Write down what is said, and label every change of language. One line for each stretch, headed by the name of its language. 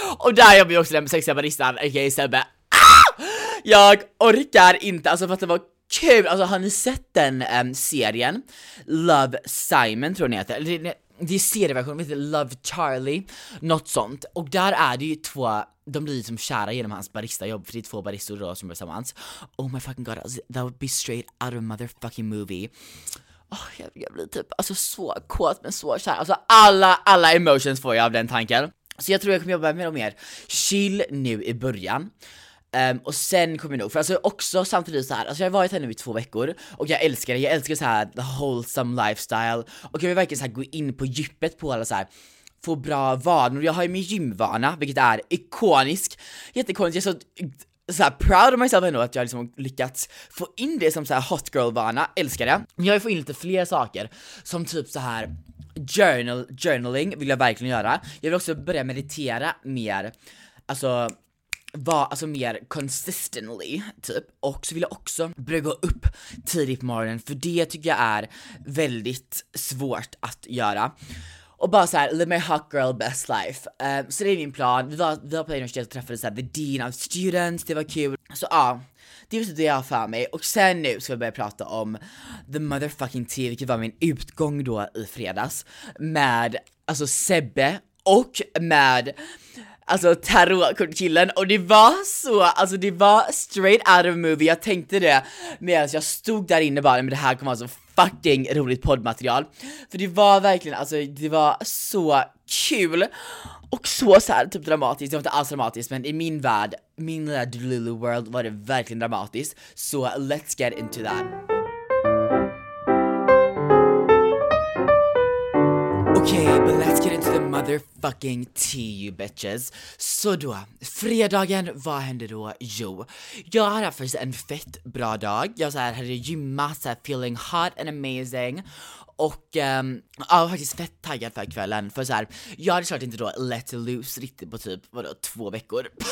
Swedish: Och där jobbar jag också med sexiga baristan, aka Sebbe. Jag orkar inte, alltså för att det var kul. Alltså har ni sett den serien Love, Simon tror ni heter? Eller det är serieversionen, det heter Love Charlie, något sånt. Och där är det ju två, de blir som kära genom hans baristajobb. För det är två baristor då som är tillsammans.
English: Oh my fucking god, that would be straight out of a motherfucking movie.
Swedish: Oh, jag blir typ alltså så kåt men så kär. Alltså alla emotions får jag av den tanken. Så jag tror jag kommer jobba mer och mer chill nu i början. Och sen kommer jag nog, för alltså också samtidigt så här, alltså jag har varit här nu i 2 veckor och jag älskar det. Jag älskar så här
English: the wholesome lifestyle,
Swedish: och jag vill verkligen så här gå in på djupet på alla så här, få bra vanor. Jag har ju min gymvana, vilket är ikonisk, jätteikonisk. Jag är så så här
English: proud of myself
Swedish: ändå att jag liksom lyckats få in det som så här hot girl vana, älskar det. Men jag får in lite fler saker som typ så här journaling vill jag verkligen göra. Jag vill också börja meditera mer. Alltså mer consistently typ. Och så vill jag också brygga upp tidigt på morgonen, för det tycker jag är väldigt svårt att göra. Och bara så här,
English: live my hot girl best life.
Swedish: Så det är min plan. Vi var på universitet och träffade så här,
English: the dean of students.
Swedish: Det var kul. Så ja, det är det jag har för mig. Och sen nu ska vi börja prata om
English: the motherfucking tea,
Swedish: vilket var min utgång då i fredags, med alltså Sebbe och med alltså tarotkortkillen. Och det var så, alltså det var
English: straight out of a movie.
Swedish: Jag tänkte det medan jag stod där inne bara, men det här kommer vara så fucking roligt poddmaterial. För det var verkligen, alltså det var så kul och så såhär typ dramatiskt. Det var inte alls dramatiskt, men i min värld, min lilla Delulu world, var det verkligen dramatiskt.
English: Så let's get into that. Okej, but let's get into the motherfucking tea, you bitches.
Swedish: Så då, fredagen, vad hände då? Jo, jag hade faktiskt en fett bra dag. Jag så här, hade gymmat, så här,
English: feeling hot and amazing.
Swedish: Och jag var faktiskt fett taggad för kvällen. För så här, jag hade såklart inte då
English: let loose
Swedish: riktigt på typ, vadå, 2 veckor.